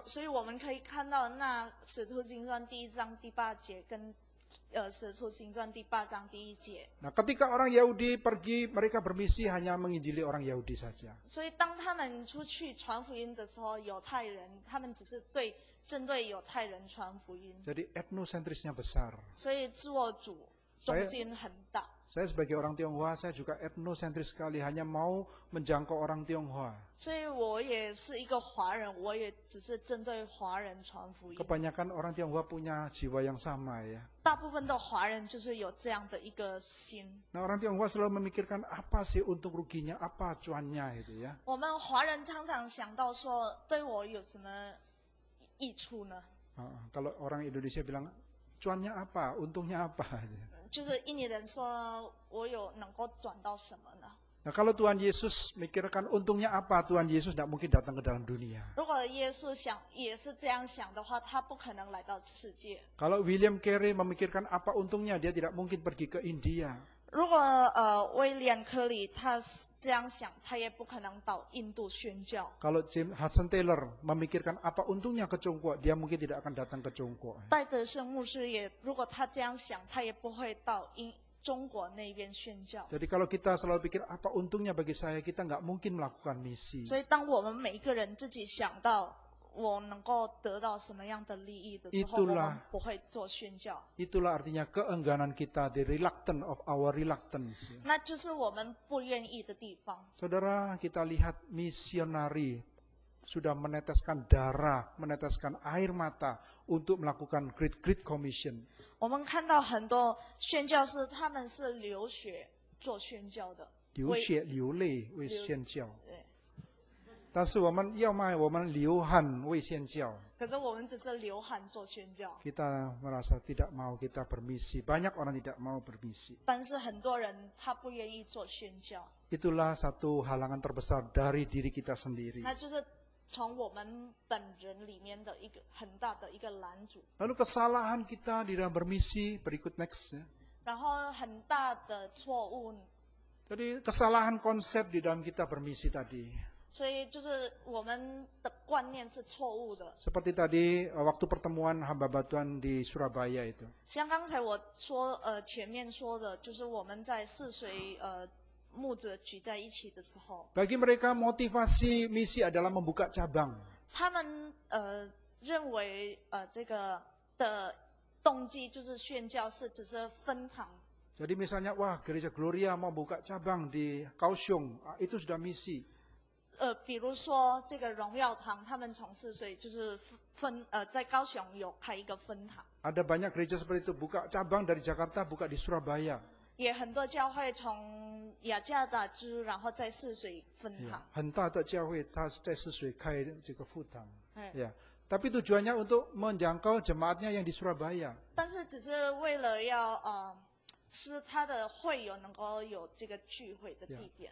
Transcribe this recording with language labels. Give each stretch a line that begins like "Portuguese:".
Chinese: 所以我们可以看到那使徒行传第一章第八节跟使徒行传第八章第一节。
Indonesian: Nah, ketika orang Yahudi pergi, mereka bermisi hanya menginjili orang Yahudi saja.
Chinese: 所以当他们出去传福音的时候，犹太人他们只是对针对犹太人传福音。
Indonesian: Jadi etnocentrisnya besar.
Chinese: 所以自我主中心很大。
Indonesian: Saya sebagai orang Tionghoa, saya juga etnocentris sekali, hanya mau menjangkau orang Tionghoa.
Chinese: 所以我也是一个华人，我也只是针对华人传福音。
Indonesian: Kebanyakan orang Tionghoa punya jiwa yang sama ya.
Chinese: 大部分的华人就是有这样的一个心。
Indonesian: Nah, orang Tionghoa selalu memikirkan apa sih untung ruginya, apa cuannya itu ya.
Chinese: 我们华人常常想到说，对我有什么益处呢？
Indonesian: Kalau orang Indonesia bilang cuannya apa, untungnya apa?
Chinese: 就是印尼人说，我有能够赚到什么呢？
Indonesian: Nah, kalau Tuhan Yesus mikirkan untungnya apa, Tuhan Yesus tidak mungkin datang ke dalam dunia.
Chinese: 如果耶稣想也是这样想的话，他不可能来到世界。
Indonesian: Kalau William Carey memikirkan apa untungnya, dia tidak mungkin pergi ke India.
Chinese: 如果威廉·科里他这样想，他也不可能到印度宣教。
Indonesian: Kalau Jim Hudson Taylor memikirkan apa untungnya ke Tiongkok, dia mungkin tidak akan datang ke Tiongkok.
Chinese: 戴德生牧师也，如果他这样想，他也不会到中国那边宣教。
Indonesian: Jadi kalau kita selalu pikir apa untungnya bagi saya, kita enggak mungkin melakukan misi.
Chinese: 所以当我们每一个人自己想到我能够得到什么样的利益的时候，
Indonesian: itulah,
Chinese: 我们不会做宣教。
Indonesian: Itulah artinya keengganan kita,
English: the reluctance of our reluctance.
Chinese: 那就是我们不愿意的地方。
Indonesian: Saudara, kita lihat misionari sudah meneteskan darah, meneteskan air mata untuk melakukan
English: great commission.
Chinese: 我们看到很多宣教士，他们是流血做宣教的，流血流泪为宣教。但是我们要么我们流汗为宣教，可是我们只是流汗做宣教。
Indonesian: Kita merasa tidak mau kita permisi, banyak orang tidak mau permisi.
Chinese: 但是很多人他不愿意做宣教。
Indonesian: Itulah satu halangan terbesar dari diri kita sendiri.
Chinese: 那就是从我们本人里面的一个很大的一个拦阻。
Indonesian: Lalu kesalahan kita di dalam permisi berikut next.
Chinese: 然后很大的错误。
Indonesian: Jadi kesalahan konsep di dalam kita permisi tadi.
Chinese: 所以就是我们的观念是错误的。
Indonesian: Seperti tadi waktu pertemuan hamba-hamba Tuhan di Surabaya itu.
Chinese: 像刚才我说前面说的，就是我们在四水牧者聚在一起的时候。
Indonesian: Bagi mereka motivasi misi adalah membuka cabang.
Chinese: 他们认为这个的动机就是宣教是只是分堂。
Indonesian: Jadi misalnya wah gereja Gloria mau buka cabang di Kaohsiung, itu sudah misi.
Chinese: 比如说这个荣耀堂他们从四岁就是分在高雄有开一个分堂。
Indonesian: Ada banyak gereja seperti itu buka cabang dari Jakarta buka di Surabaya。
Chinese: 也很多教会从雅加达支然后在四岁分堂。 Yeah, 很大的教会他在四岁开这个分堂。
Indonesian: Yeah,
Chinese: 但是
Indonesian: tujuannya untuk menjangkau jemaatnya yang di Surabaya。
Chinese: 但是只是为了要使他的会友能够有这个聚会的地点。